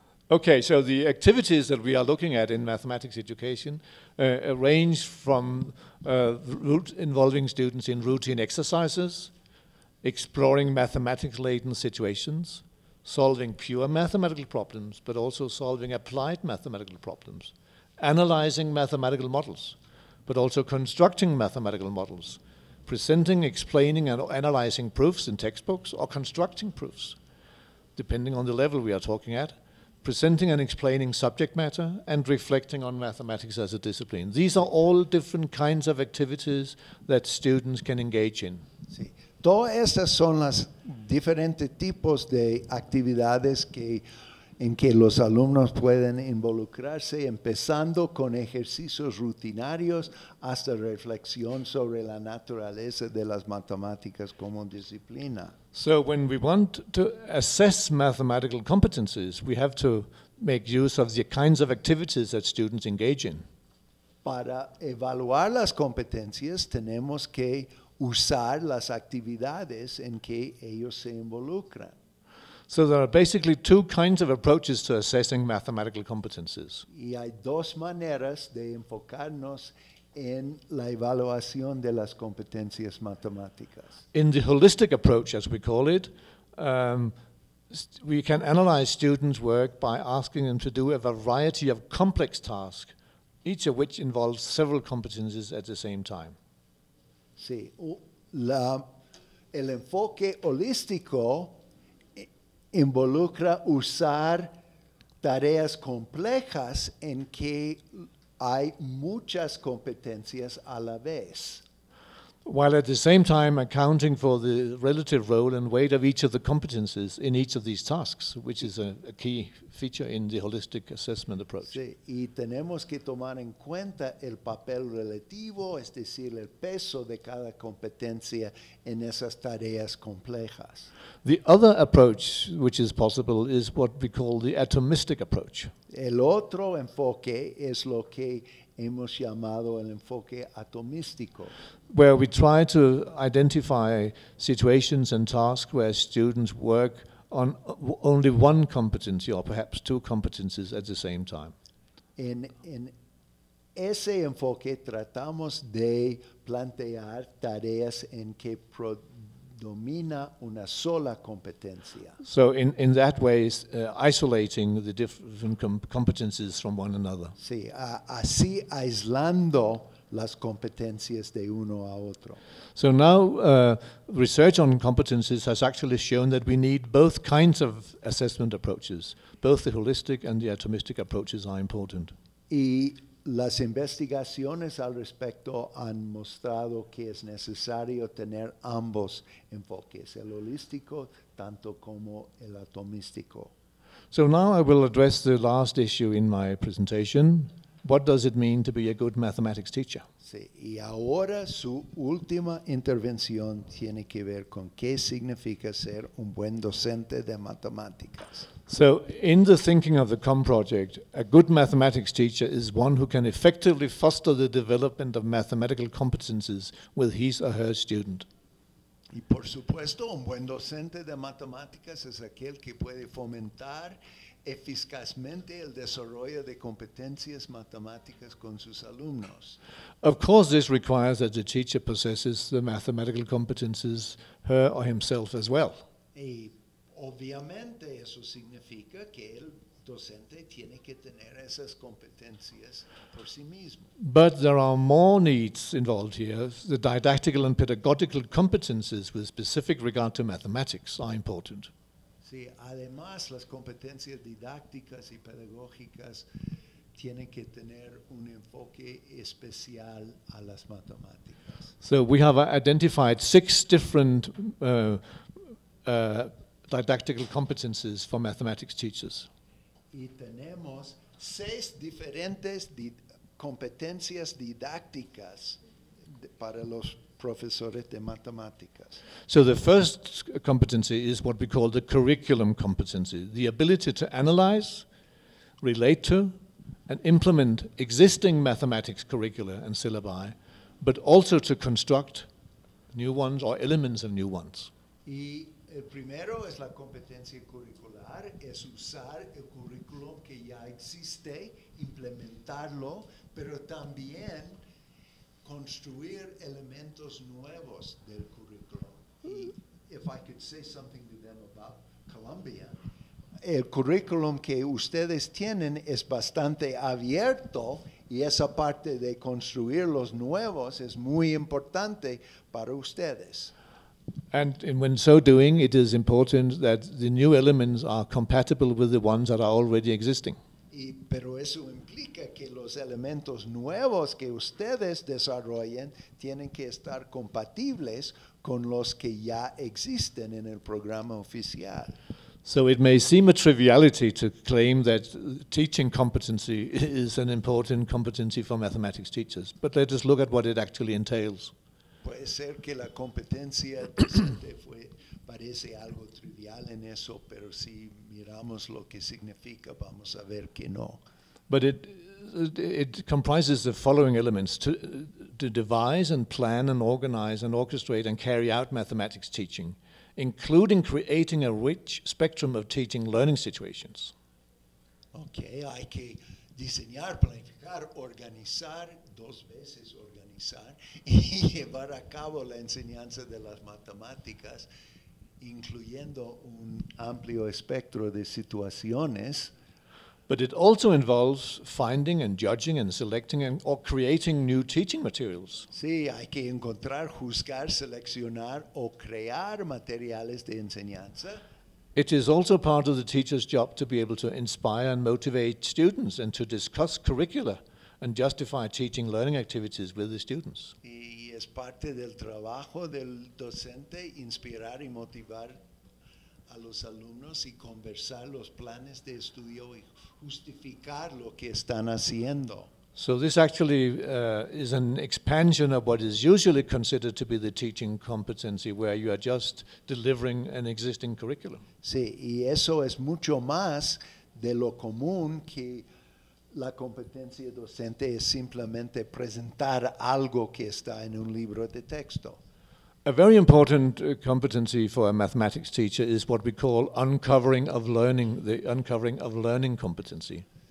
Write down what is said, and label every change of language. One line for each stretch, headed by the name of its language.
English: Okay, so the activities that we are looking at in mathematics education range from involving students in routine exercises, exploring mathematics-laden situations, solving pure mathematical problems, but also solving applied mathematical problems, analyzing mathematical models, but also constructing mathematical models, presenting, explaining, and analyzing proofs in textbooks, or constructing proofs, depending on the level we are talking at, presenting and explaining subject matter, and reflecting on mathematics as a discipline. These are all different kinds of activities that students can engage in.
Spanish: Sí. Todas estas son las diferentes tipos de actividades en que los alumnos pueden involucrarse, empezando con ejercicios rutinarios hasta reflexión sobre la naturaleza de las matemáticas como disciplina.
English: So when we want to assess mathematical competencies, we have to make use of the kinds of activities that students engage in.
Spanish: Para evaluar las competencias, tenemos que usar las actividades en que ellos se involucran.
English: So there are basically two kinds of approaches to assessing mathematical competences.
Spanish: Y hay dos maneras de enfocarnos en la evaluación de las competencias matemáticas.
English: In the holistic approach, as we call it, we can analyze students' work by asking them to do a variety of complex tasks each of which involves several competencies at the same time.
Spanish: Sí, el enfoque holístico involucra usar tareas complejas en que hay muchas competencias a la vez.
English: While at the same time accounting for the relative role and weight of each of the competencies in each of these tasks, which is a key feature in the holistic assessment approach.
Spanish: Sí, y tenemos que tomar en cuenta el papel relativo, es decir, el peso de cada competencia en esas tareas complejas.
English: The other approach which is possible is what we call the atomistic approach.
Spanish: El otro enfoque es lo que hemos llamado el enfoque atomístico.
English: Where we try to identify situations and tasks where students work on only one competency or perhaps two competencies at the same time.
Spanish: En ese enfoque tratamos de plantear tareas en que predomina una sola competencia.
English: So in that way, isolating the different competencies from one another.
Spanish: Sí, así aislando las competencias de uno a otro.
English: So now research on competencies has actually shown that we need both kinds of assessment approaches. Both the holistic and the atomistic approaches are important.
Spanish: Y las investigaciones al respecto han mostrado que es necesario tener ambos enfoques, el holístico tanto como el atomístico.
English: So now I will address the last issue in my presentation. What does it mean to be a good mathematics teacher?
Spanish: Sí, y ahora su última intervención tiene que ver con qué significa ser un buen docente de matemáticas.
English: So, in the thinking of the COM project, a good mathematics teacher is one who can effectively foster the development of mathematical competences with his or her student.
Spanish: Y por supuesto, un buen docente de matemáticas es aquel que puede fomentar eficazmente el desarrollo de competencias matemáticas con sus alumnos.
English: Of course, this requires that the teacher possesses the mathematical competences her or himself as well.
Spanish: Y obviamente eso significa que el docente tiene que tener esas competencias por sí mismo.
English: But there are more needs involved here. The didactical and pedagogical competences with specific regard to mathematics are important.
Spanish: Además, las competencias didácticas y pedagógicas tienen que tener un enfoque especial a las matemáticas.
English: So we have identified six different didactical competencies for mathematics teachers.
Spanish: Y tenemos seis diferentes competencias didácticas para los profesores de matemáticas.
English: So the first competency is what we call the curriculum competency, the ability to analyze, relate to, and implement existing mathematics curricula and syllabi, but also to construct new ones or elements of new ones.
Spanish: Y el primero es la competencia curricular, es usar el currículo que ya existe, implementarlo, pero también construir elementos nuevos del currículo.
English: If I could say something to them about Colombia.
Spanish: El currículum que ustedes tienen es bastante abierto y esa parte de construir los nuevos es muy importante para ustedes.
English: And when so doing, it is important that the new elements are compatible with the ones that are already existing.
Spanish: Pero eso implica que los elementos nuevos que ustedes desarrollen tienen que estar compatibles con los que ya existen en el programa oficial.
English: So it may seem a triviality to claim that teaching competency is an important competency for mathematics teachers, but let us look at what it actually entails.
Spanish: Puede ser que la competencia docente fue parece algo trivial en eso, pero si miramos lo que significa, vamos a ver que no.
English: But it comprises the following elements: to devise and plan and organize and orchestrate and carry out mathematics teaching, including creating a rich spectrum of teaching learning situations.
Spanish: Okay, hay que diseñar, planificar, organizar, dos veces organizar, y llevar a cabo la enseñanza de las matemáticas, incluyendo un amplio espectro de situaciones.
English: But it also involves finding and judging and selecting and or creating new teaching materials.
Spanish: Sí, hay que encontrar, juzgar, seleccionar o crear materiales de enseñanza.
English: It is also part of the teacher's job to be able to inspire and motivate students and to discuss curricula and justify teaching learning activities with the students.
Spanish: Y es parte del trabajo del docente inspirar y motivar a los alumnos y conversar los planes de estudio y justificar lo que están haciendo.
English: So this actually is an expansion of what is usually considered to be the teaching competency, where you are just delivering an existing curriculum.
Spanish: Sí, y eso es mucho más de lo común que la competencia docente es simplemente presentar algo que está en un libro de texto.
English: A very important competency for a mathematics teacher is what we call uncovering of learning, the uncovering of learning competency.